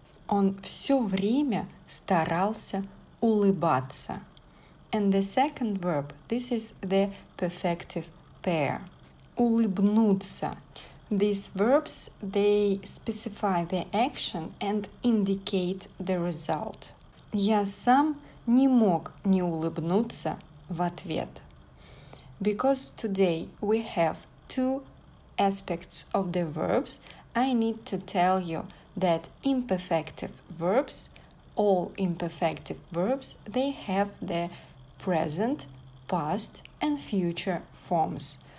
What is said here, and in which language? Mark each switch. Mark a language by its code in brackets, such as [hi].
[ru] Он все время старался улыбаться. [en] And the second verb, this is the perfective pair. Улыбнуться. These verbs, they specify the action and indicate the result. [ru] Я сам не мог не улыбнуться в ответ. [en] Because today we have two aspects of the verbs, I need to tell you that imperfective verbs, all imperfective verbs, they have the present, past, and future forms.